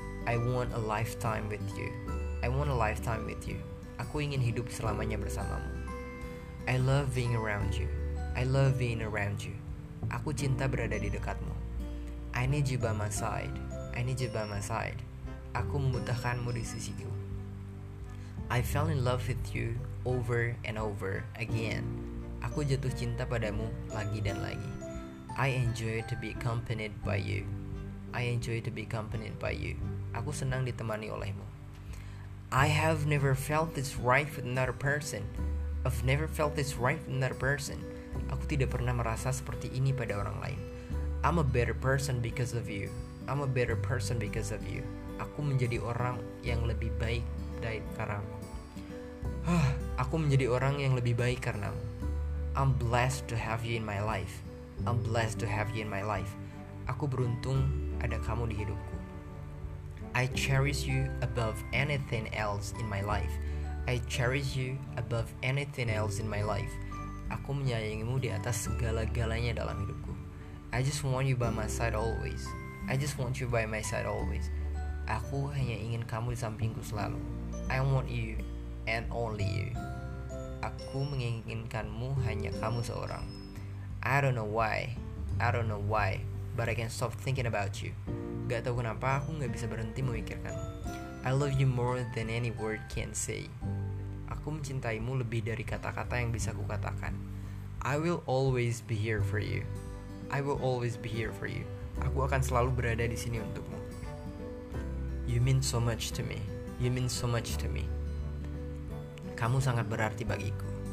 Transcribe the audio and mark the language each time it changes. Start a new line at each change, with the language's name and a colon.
English: I want a lifetime with you. I want a lifetime with you.
Indonesian: Aku ingin hidup selamanya bersamamu.
English: I love being around you. I love being around you.
Indonesian: Aku cinta berada di dekatmu.
English: I need you by my side. I need you by my side.
Indonesian: Aku membutuhkanmu di sisiku.
English: I fell in love with you over and over again.
Indonesian: Aku jatuh cinta padamu lagi dan lagi.
English: I enjoy to be accompanied by you. I enjoy to be accompanied by you.
Indonesian: Aku senang ditemani olehmu.
English: I have never felt this right with another person. I've never felt this right with another person.
Indonesian: Aku tidak pernah merasa seperti ini pada orang lain.
English: I'm a better person because of you. I'm a better person because of you.
Indonesian: Aku menjadi orang yang lebih baik dari karenamu. Aku menjadi orang yang lebih baik karenamu.
English: I'm blessed to have you in my life. I'm blessed to have you in my life.
Indonesian: Aku beruntung ada kamu di hidupku.
English: I cherish you above anything else in my life. I cherish you above anything else in my life.
Indonesian: Aku menyayangimu di atas segala-galanya dalam hidupku.
English: I just want you by my side always. I just want you by my side always.
Indonesian: Aku hanya ingin kamu di sampingku selalu.
English: I want you and only you.
Indonesian: Aku menginginkanmu hanya kamu seorang.
English: I don't know why. I don't know why, but I can't stop thinking about you.
Indonesian: Gak tahu kenapa aku gak bisa berhenti memikirkanmu.
English: I love you more than any word can say.
Indonesian: Aku mencintaimu lebih dari kata-kata yang bisa kukatakan.
English: I will always be here for you. I will always be here for you.
Indonesian: Aku akan selalu berada di sini untukmu.
English: You mean so much to me. You mean so much to me.
Indonesian: Kamu sangat berarti bagiku.